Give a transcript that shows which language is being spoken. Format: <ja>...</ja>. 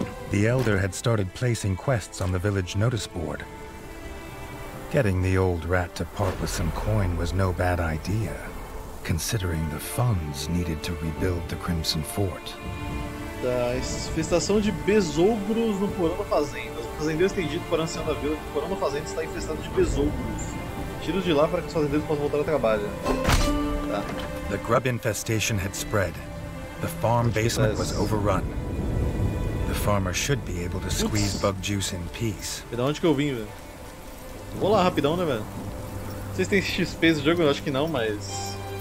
<en>The elder had started placing quests on the village notice board. Getting the old rat to part with some coin was no bad idea, considering the funds needed to rebuild the Crimson Fort.</en> <pt>Da infestação de besouros no porão da fazenda. Os fazendeiros têm dito para o ancião da vila que o porão da fazenda está infestado de besouros. Tira-os de lá para que os fazendeiros possam voltar ao trabalho. Tá.</pt> <en>The grub infestation had spread. The farm basement was overrun. The farmer should be able to squeeze bug juice in peace.</en> <pt>E da onde que eu vim, velho? Vou lá rapidão, né, velho? Não sei se tem XP no jogo, eu acho que não, mas...</pt>